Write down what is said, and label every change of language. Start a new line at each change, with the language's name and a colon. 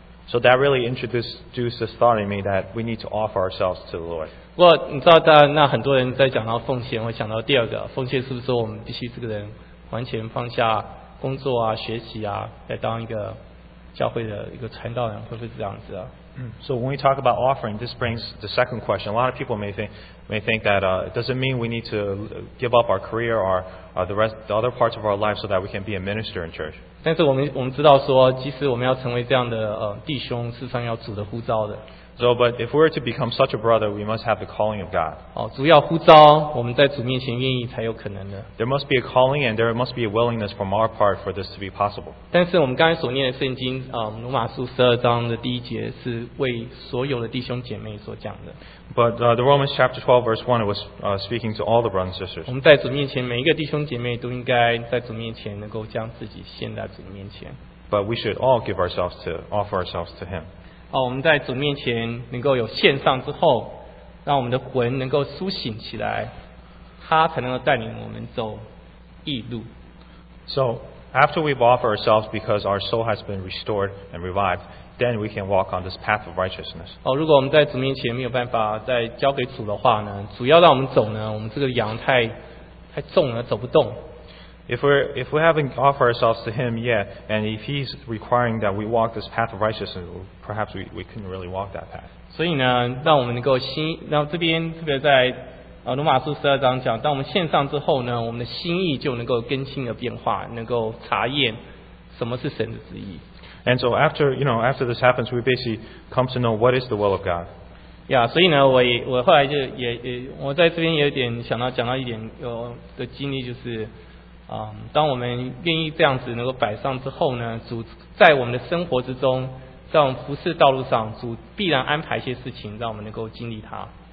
English: So that really introduced this thought in me that we need to offer ourselves to the Lord.
Chinese: 不过你知道，那很多人在讲到奉献，会想到第二个奉献，是不是我们必须这个人完全放下工作啊、学习啊，来当一个教会的一个传道人，会不会是这样子啊？
English: So when we talk about offering, this brings the second question. A lot of people may think that does it mean we need to give up our career or the other parts of our life so that we can be a minister in church?
Chinese: 但是我们知道说，即使我们要成为这样的弟兄，事实上要主的呼召的。
English: So, but if we're to become such a brother, we must have the calling of God.
Chinese: 哦，主要呼召，我们在主面前愿意才有可能的。
English: There must be a calling, and there must be a willingness from our part for this to be possible.
Chinese: 但是我们刚才所念的圣经，罗马书十二章的第一节是为所有的弟兄姐妹所讲的。
English: But the Romans chapter 12 verse 1 was speaking to all the brothers and sisters.
Chinese: 我们在主面前，每一个弟兄姐妹都应该在主面前能够将自己献在主面前。
English: But we should all give ourselves to offer ourselves to Him.
Chinese: 哦，我们在主面前能够有献上之后，让我们的魂能够苏醒起来，他才能够带领我们走义路。
English: So after we've offered ourselves because our soul has been restored and revived, then we can walk on this path of righteousness.
Chinese: 哦，如果我们在主面前没有办法再交给主的话呢，主要让我们走呢，我们这个羊太重了，走不动。
English: If we haven't offered ourselves to Him yet, and if He's requiring that we walk this path of righteousness, perhaps we couldn't really walk that path.
Chinese: 所以呢，让我们能够心，然后这边特别在罗马书十二章讲，当我们献上之后呢，我们的心意就能够更新的变化，能够查验什么是神的旨意。
English: And so after this happens, we basically come to know what is the will of God.
Chinese: Yeah, 所以呢，我后来就也我在这边也有点想到讲到一点有的经历就是。当我们愿意这样子能够摆上之后呢，主在我们的生活之中，在我们服事道路上，主必然安排一些事情，让我们能够经历它。